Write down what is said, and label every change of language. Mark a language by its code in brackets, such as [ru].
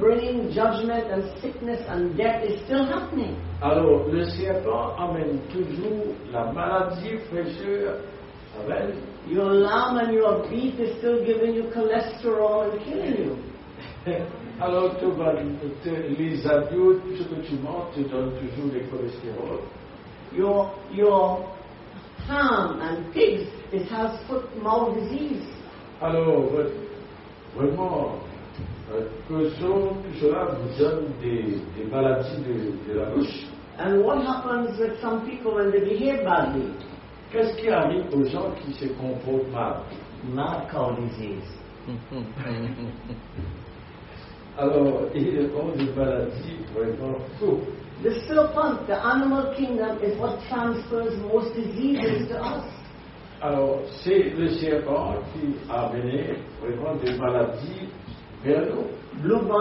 [en] bringing judgment and sickness and death is still happening. [fr] Alors, le serpent amène toujours la maladie, fraîcheur. [en] Amen. Your lamb and your beef is still giving you cholesterol and killing you. [fr] Alors, les adultes, tout ce que tu manges, te donnent toujours des cholestérol. [en] Your ham and pigs, it has foot mouth disease. [fr] Alors, vraiment, cela vous donne des maladies de la bouche. [en] And what happens with some people when they behave badly? [fr] Qu'est-ce qui arrive aux gens qui se comportent mal? [en] Mad cow disease. [fr] Alors, il y a des maladies vraiment fous. [en] The serpent, the animal kingdom, is what transfers most diseases to us. [fr] Alors, c'est le serpent qui a amené vraiment des maladies vers nous.